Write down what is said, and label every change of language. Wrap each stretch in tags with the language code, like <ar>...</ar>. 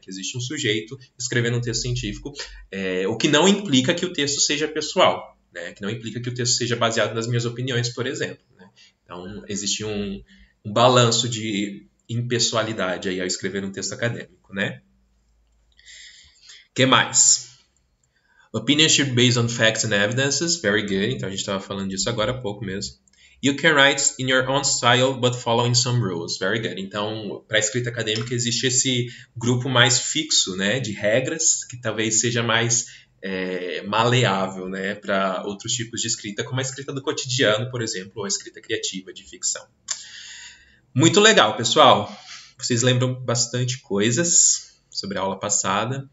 <pt>Que existe um sujeito escrevendo um texto científico, o que não implica que o texto seja pessoal, né? Que não implica que o texto seja baseado nas minhas opiniões, por exemplo, né? Então existe um balanço de impessoalidade aí ao escrever um texto acadêmico, né? Que mais?</pt> <en>Opinions should be based on facts and evidences. Very good.</en> <pt>Então a gente estava falando disso agora há pouco mesmo.</pt> <en>You can write in your own style, but following some rules. Very good.</en> <pt>Então, para a escrita acadêmica, existe esse grupo mais fixo, né, de regras, que talvez seja mais maleável, né, para outros tipos de escrita, como a escrita do cotidiano, por exemplo, ou a escrita criativa de ficção. Muito legal, pessoal. Vocês lembram bastante coisas sobre a aula passada.</pt>